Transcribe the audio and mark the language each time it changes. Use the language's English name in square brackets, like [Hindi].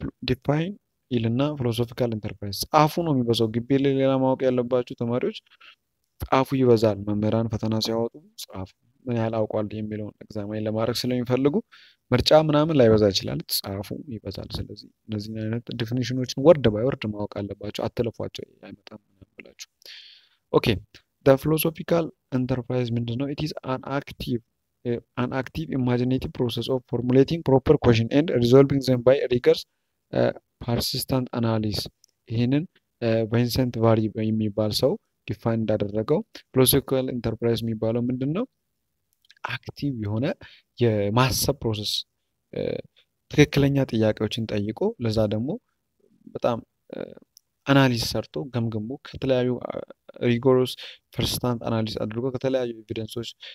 [Amharic] ዲፋይን ይልና ፊሎሶፊካል ኢንተርፕራይዝ ጻፉ ነው የሚበዛው። ግቢ ሌላ ማወቅ ያለባችሁ ተማሪዎች ጻፉ ይበዛል። መምህራን ፈተና ሲያወጡ ጻፉ፣ ምን ያህል አውቋል የሚለውን ኤግዛማይን ለማድረግ ስለሚፈልጉ ምርጫ ምናምን ላይበዛ ይችላል፣ ጻፉ ይበዛል። ስለዚህ እነዚህን አይነት ዲፊኒሽኖችን ወርድ ባይ ወርድ ማወቅ አለባቸው። አትለፏቸው፣ አይመጣም ብላችሁ ኦኬ [English] The philosophical enterprise means no, it is an active imaginative process of formulating proper questions and resolving them by rigorous persistent analysis. [Amharic] ይህንን ቪንሰንት ቫሪ የሚባል ሰው ዲፋይን እንዳደረገው ፊሎሶፊካል ኢንተርፕራይዝ የሚባለው ምንድን ነው? አክቲቭ የሆነ የማሰብ ፕሮሰስ፣ ትክክለኛ ጥያቄዎችን ጠይቆ ለዛ ደግሞ በጣም አናሊስ ሰርቶ ገምግሞ ከተለያዩ ሪጎሮስ ፐርስስታንት አናሊስ አድርጎ ከተለያዩ ኤቪደንሶች